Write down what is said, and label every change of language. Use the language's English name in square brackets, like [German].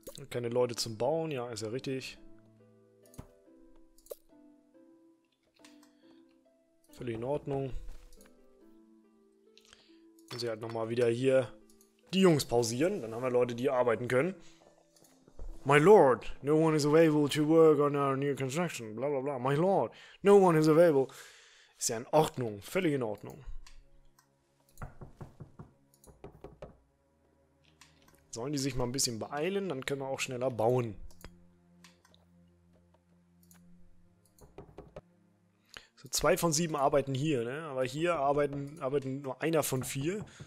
[German] Keine Leute zum Bauen, ja, ist ja richtig. Völlig in Ordnung. Muss ich halt nochmal wieder hier die Jungs pausieren, dann haben wir Leute, die arbeiten können. [English] My lord, no one is available to work on our new construction, bla bla bla. My lord, no one is available. [German] Ist ja in Ordnung, völlig in Ordnung. Sollen die sich mal ein bisschen beeilen, dann können wir auch schneller bauen. So, 2 von 7 arbeiten hier, ne? Aber hier arbeiten nur 1 von 4.